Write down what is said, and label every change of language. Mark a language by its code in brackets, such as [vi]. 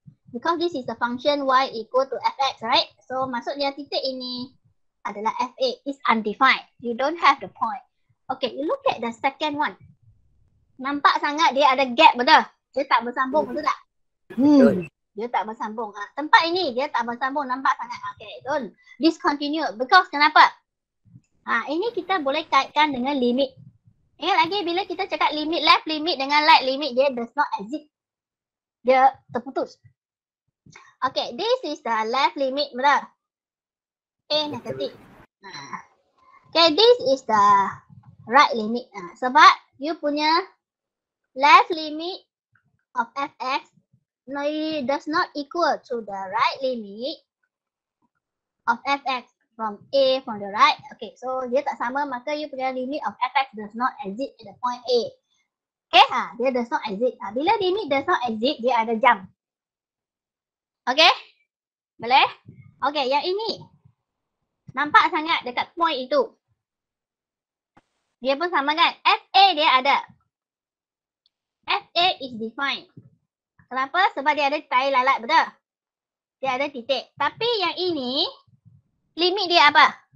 [en] Because this is the function y equal to fx, right? [ms] So maksudnya titik ini adalah [en] FA is undefined. You don't have the point. Okay, you look at the second one. [ms] Nampak sangat dia ada gap, betul? Dia tak bersambung, betul tak? Dia tak bersambung. Tempat ini dia tak bersambung, nampak sangat. [en] Okay, don't discontinue. Because kenapa? [ms] Ini kita boleh kaitkan dengan limit. Ingat lagi bila kita cakap limit, left limit dengan right limit, dia [en] does not exist. [ms] Dia terputus. [en] Okay, this is the left limit, betul? A negative. Okay, this is the right limit. [ms] Sebab you punya [en] left limit of fx does not equal to the right limit of fx from A from the right. Okay, so [ms] dia tak sama, maka you punya [en] limit of fx does not exist at the point A. Okay, dia does not exist. Bila limit does not exist, dia ada jump. [ms] Okay, boleh? Okay, yang ini nampak sangat dekat point itu. Dia pun sama kan? FA dia ada. [en] FA is defined. [ms] Kenapa? Sebab dia ada tai lalat, betul? Dia ada titik. Tapi yang ini, limit dia apa?